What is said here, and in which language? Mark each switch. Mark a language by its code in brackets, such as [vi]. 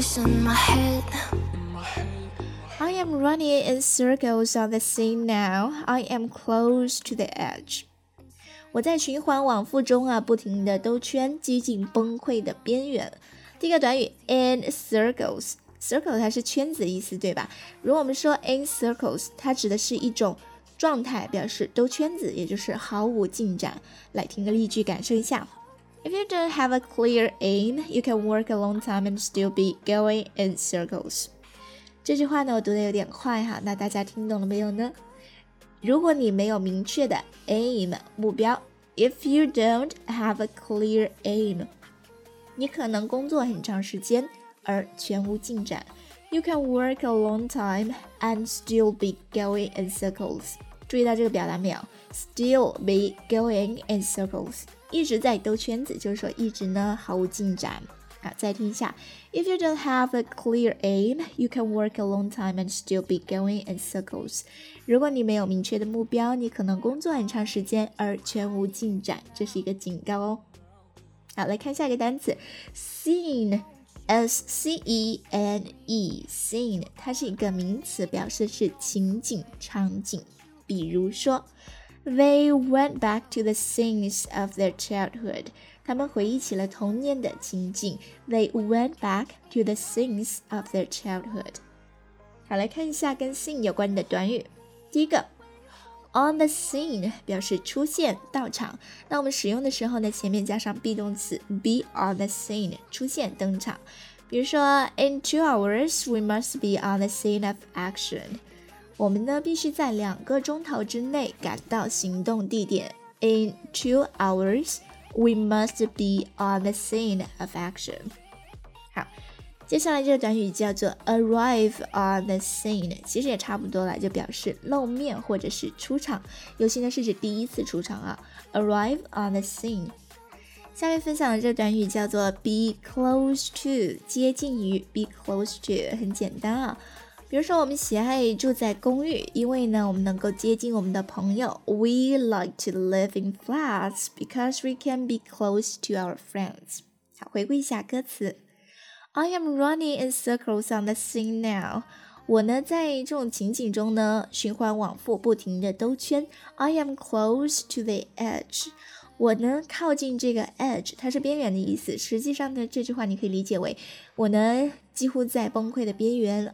[en] I am running in circles on the scene now. I am close to the edge. [zh] 我在循环往复中啊，不停的兜圈，接近崩溃的边缘。第一个短语 [en] in circles， [zh] circle 它是圈子的意思，对吧？如果我们说 [en] in circles， [zh] 它指的是一种状态，表示兜圈子，也就是毫无进展。来听个例句，感受一下。 [en] If you don't have a clear aim, you can work a long time and still be going in circles. [zh] 这句话呢，我读得有点快哈，那大家听懂了没有呢？如果你没有明确的 aim, 目标， [en] If you don't have a clear aim, [zh] 你可能工作很长时间而全无进展。 [en] You can work a long time and still be going in circles. [zh] 注意到这个表达没有？ [en] Still be going in circles. [zh] 一直在兜圈子，就是说一直呢毫无进展啊。再听一下 [en] ，If you don't have a clear aim, you can work a long time and still be going in circles. [zh] 如果你没有明确的目标，你可能工作很长时间而全无进展，这是一个警告哦。好，来看下一个单词 ，scene, S-C-E-N-E, scene, 它是一个名词，表示是情景、场景，比如说。 [en] They went back to the scenes of their childhood. [zh] 他们回忆起了童年的情景。 [en] They went back to the scenes of their childhood. [zh] 好，来看一下跟 scene 有关的短语。第一个 , [en] on the scene [zh] 表示出现、到场。那我们使用的时候呢，前面加上 be 动词 [en] be on the scene, [zh] 出现、登场。比如说 [en] ,in 2 hours, we must be on the scene of action. [zh] 我们呢必须在2个钟头之内赶到行动地点。 [en] In 2 hours, we must be on the scene of action. [zh] 好，接下来这个短语叫做 [en] arrive on the scene, [zh] 其实也差不多了，就表示露面或者是出场，尤其呢是指第一次出场啊。 [en] Arrive on the scene。 [zh] 下面分享的这个短语叫做 [en] be close to, [zh] 接近于 be close to, 很简单啊。比如说我们喜爱住在公寓，因为呢我们能够接近我们的朋友。 [en] We like to live in flats because we can be close to our friends. [zh] 好，回顾一下歌词。 [en] I am running in circles on the scene now. [zh] 我呢在这种情景中呢循环往复，不停的兜圈。 [en] I am close to the edge. [zh] 我呢靠近这个 edge, 它是边缘的意思。实际上呢这句话你可以理解为我呢几乎在崩溃的边缘。